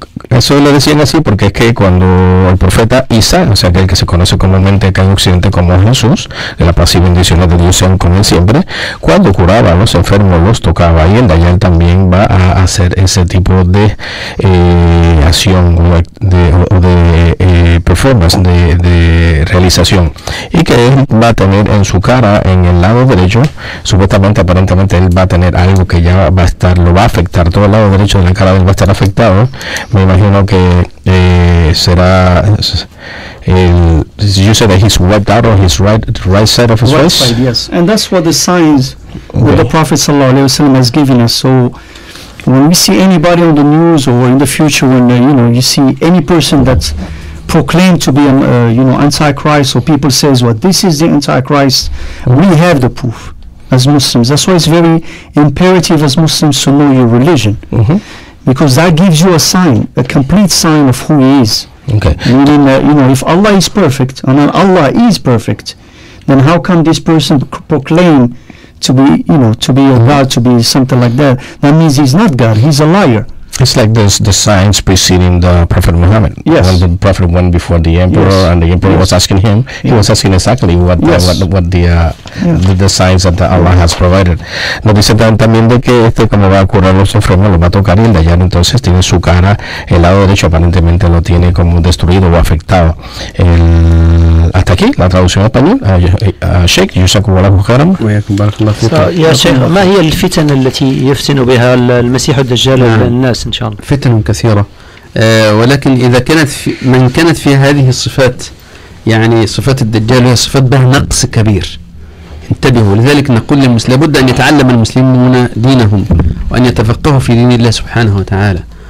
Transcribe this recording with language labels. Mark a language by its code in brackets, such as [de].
[es] Eso lo decían así porque es que cuando el profeta Isa, o sea, que el que se conoce comúnmente acá en Occidente como Jesús, de la paz y bendiciones de Dios sean con él siempre, cuando curaba a los enfermos, los tocaba, y el Dajjal también va a hacer ese tipo de acción de realización, y que él va a tener en su cara, en el lado derecho, supuestamente, aparentemente, él va a tener algo que ya va a estar, lo va a afectar, todo el lado derecho de la cara de él va a estar afectado. Me imagino que será el, [en] you said that he's wiped out, or his right side of his face? Right side, yes. And that's what the signs that the Prophet [ar] sallallahu alayhi wa sallam [en] has given us. So when we see anybody on the news or in the future, when you know, you see any person that's proclaimed to be Antichrist, or people says, well, this is the Antichrist, we have the proof as Muslims. That's why it's very imperative as Muslims to know your religion, because that gives you a sign, a complete sign of who he is. Okay. Meaning that, you know, if Allah is perfect, and Allah is perfect, then how come this person proclaim to be, you know, to be a God, to be something like that? That means he's not God, he's a liar. It's like the signs preceding the Prophet Muhammad. Yes. When the Prophet went before the emperor, and the emperor was asking him, he was asking exactly what the signs that Allah has provided. [es] Nos dice también de que este, como va a curar los enfermos, lo va a tocar, y el Dajjal entonces tiene su cara, el lado derecho aparentemente lo tiene como destruido o afectado. El hasta aquí la traducción en español a Sheikh Yusaku wa lahu khairan. [ar] يا شيخ ما هي الفتن التي يفتن بها المسيح الدجال الناس ان شاء الله؟ فتن كثيرة ولكن اذا كانت في من كانت في هذه الصفات يعني صفات الدجال هي صفات بها نقص كبير انتبهوا. لذلك نقول للمسلم لابد ان يتعلم المسلمون دينهم وان يتفقهوا في دين الله سبحانه وتعالى.